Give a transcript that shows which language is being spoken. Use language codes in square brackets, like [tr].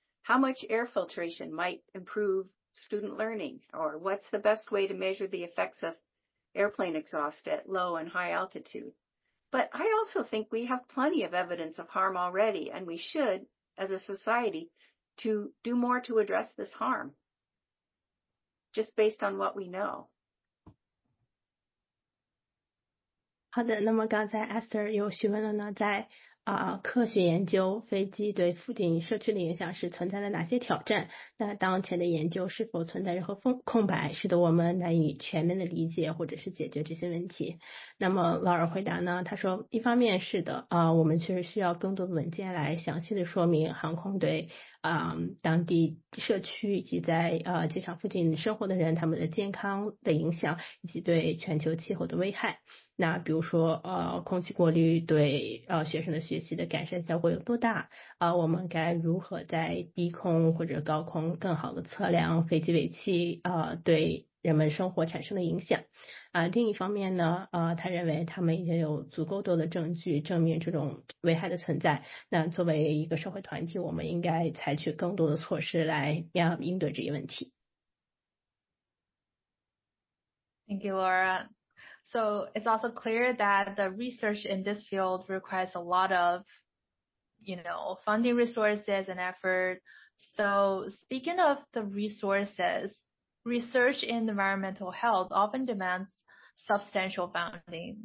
[en] How much air filtration might improve student learning, or what's the best way to measure the effects of airplane exhaust at low and high altitude? But I also think we have plenty of evidence of harm already, and we should, as a society, to do more to address this harm, just based on what we know. [zh] 好的，那么刚才 Esther 又询问了呢，在科学研究飞机对附近社区的影响是存在了哪些挑战？那当前的研究是否存在任何空白，使得我们难以全面的理解或者是解决这些问题？那么劳尔回答呢，他说，一方面是的，我们确实需要更多的文件来详细的说明航空对当地社区以及在机场附近生活的人他们的健康的影响，以及对全球气候的危害。那比如说空气过滤对学生的学习的改善效果有多大，我们该如何在低空或者高空更好的测量飞机尾气对人们生活产生的影响。另一方面呢，他认为他们已经有足够多的证据证明这种危害的存在。那作为一个社会团体，我们应该采取更多的措施来应对这一问题。 [en] Thank you, Laura. So it's also clear that the research in this field requires a lot of, you know, funding resources and effort. So speaking of the resources,Research in environmental health often demands substantial funding.